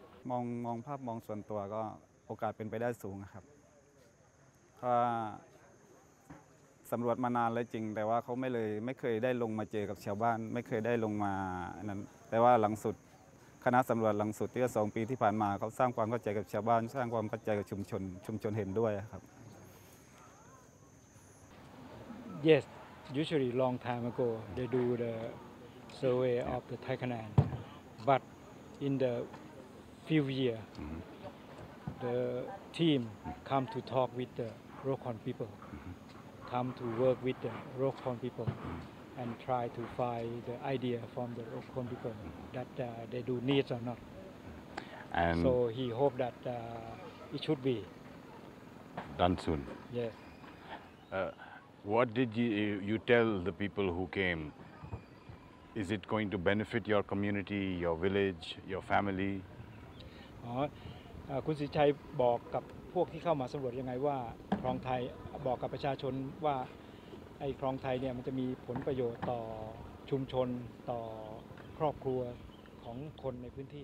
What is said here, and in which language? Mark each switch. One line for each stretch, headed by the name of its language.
Thai: มองภาพมองส่วนตัวก็โอกาสเป็นไปได้สูงครับถ้าสำรวจมานานแล้วจริงแต่ว่าเขาไม่เคยได้ลงมาเจอกับชาวบ้านไม่เคยได้ลงมานั้นแต่ว่าหลังสุดคณะสำรวจหลังสุดที่2ปีที่ผ่านมาเขาสร้างความเข้าใจกับชาวบ้านสร้างความเข้าใจกับชุมชนเห็นด้วยครับ
English: Yes usually long time ago they do the survey of the Thai Canal but in the few year the team come to talk with the local peoplecome to work with the local people and try to find the idea from the local people that they do need or not. And so he hope that it should be done soon. Yes. What did you tell the people who came? Is it going to benefit your community, your village, your family?
Thai: คุณสิชัยบอกกับพวกที่เข้ามาสำรวจยังไงว่าคลองไทยบอกกับประชาชนว่าไอ้คลองไทยเนี่ยมันจะมีผลประโยชน์ต่อชุมชนต่อครอบครัวของคนในพื้นที